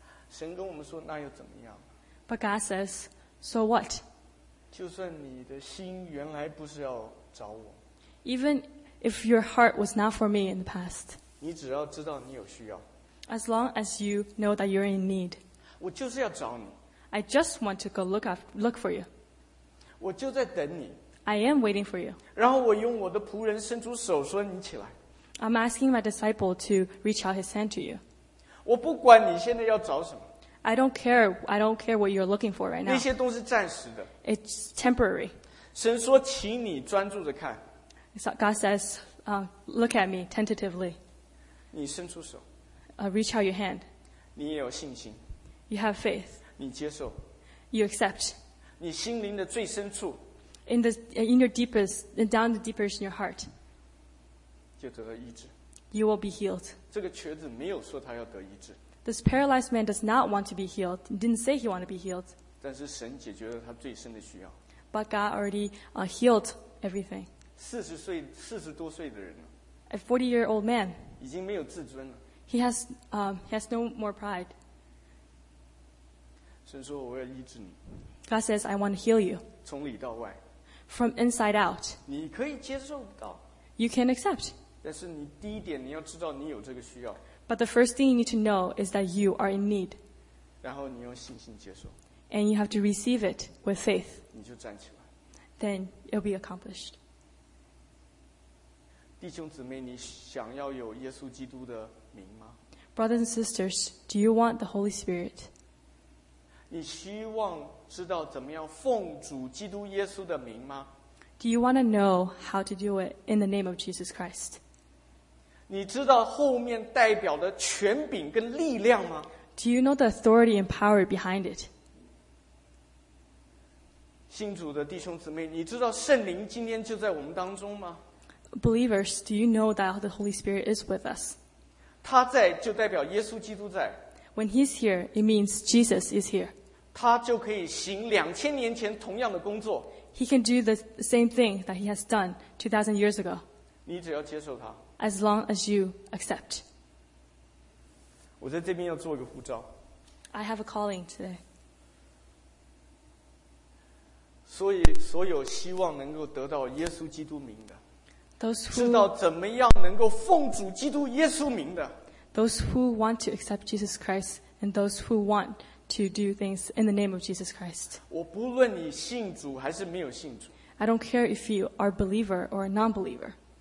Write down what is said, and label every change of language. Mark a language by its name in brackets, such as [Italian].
[Chinese] 神跟我们说，那又怎么样？ [English] But God says, so what? [Chinese] 就算你的心原来不是要找我。 [English] Even if your heart was not for me in the past. [Chinese] 你只要知道你有需要。 [English] As long as you know that you're in need. [Chinese] 我就是要找你。 [English] I just want to go look for you. [Chinese] 我就在等你。 [English] I am waiting for you. [Chinese] 然后我用我的仆人伸出手说你起来。 [English] I'm asking my disciple to reach out his hand to you. [Chinese] 我不管你现在要找什么。 [English] I don't care what you're looking for right now. [Chinese] 那些都是暂时的。 [English] It's temporary. [Chinese] 神说请你专注着看。 [English] God says, look at me tentatively. [Chinese] 你伸出手。 [English] Reach out your hand. [Chinese] 你也有信心。 [English] You have faith. [Chinese] 你接受。 [English] You accept. [Chinese] 你心灵的最深处 [English] in the deepest in your heart [Chinese] 就得到医治。 [English] You will be healed. [Chinese] 这个瘸子没有说他要得医治。 [English] This paralyzed man does not want to be healed. He didn't say he want to be healed. [Chinese] 但是神解决了他最深的需要。 [English] But God already healed everything. [Chinese] 40多岁的人了。 [English] A 40-year-old man. [Chinese] 已经没有自尊了。 [English] He has no more pride. [Chinese] 神说我要医治你。 [English] God says I want to heal you. [Chinese] 从里到外。 [English] From inside out. [Chinese] 你可以接受到。 [English] You can accept. [Chinese] 但是你第一点你要知道你有这个需要。 [English] But the first thing you need to know is that you are in need. [Chinese] 然后你用信心接受。 [English] And you have to receive it with faith. [Chinese] 你就站起来。 [English] Then it'll be accomplished. [Chinese] 弟兄姊妹，你想要有耶稣基督的名吗？ [English] Brothers and sisters, do you want the Holy Spirit? [Chinese] 你希望知道怎么样奉主基督耶稣的名吗？ [English] Do you want to know how to do it in the name of Jesus Christ? [Chinese] 你知道后面代表的权柄跟力量吗？ [English] Do you know the authority and power behind it? [Chinese] 信主的弟兄姊妹，你知道圣灵今天就在我们当中吗？ [English] Believers, do you know that the Holy Spirit is with us? [Chinese] 他在就代表耶稣基督在。 [English] When he's here, it means Jesus is here. [Chinese] 他就可以行2000年前同样的工作。 [English] He can do the same thing that he has done 2000 years ago. [Chinese] 你只要接受他。 [English] As long as you accept. [Chinese] 我在这边要做一个呼召。 [English] I have a calling today. [Chinese] 所以所有希望能够得到耶稣基督名的。 [English] Those who, [Chinese] 知道怎么样能够奉主基督耶稣名的。 [English] Those who want to accept Jesus Christ and those who want to do things in the name of Jesus Christ. [Chinese] 我不论你信主还是没有信主。 [English] I don't care if you are a believer or a non-believer.